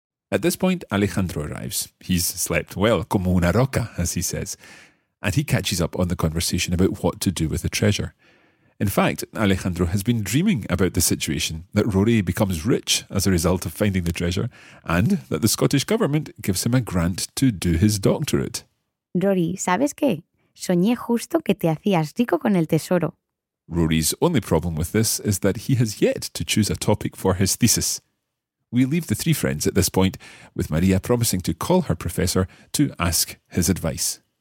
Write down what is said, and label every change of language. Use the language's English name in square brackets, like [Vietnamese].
[English] At this point, Alejandro arrives. He's slept well, [Spanish] como una roca, [English] as he says, and he catches up on the conversation about what to do with the treasure. In fact, Alejandro has been dreaming about the situation that Rory becomes rich as a result of finding the treasure and that the Scottish government gives him a grant to do his doctorate. [Spanish] Rory, ¿sabes qué? Soñé justo que te hacías rico con el tesoro. [English] Rory's only problem with this is that he has yet to choose a topic for his thesis. We leave the three friends at this point, with Maria promising to call her professor to ask his advice.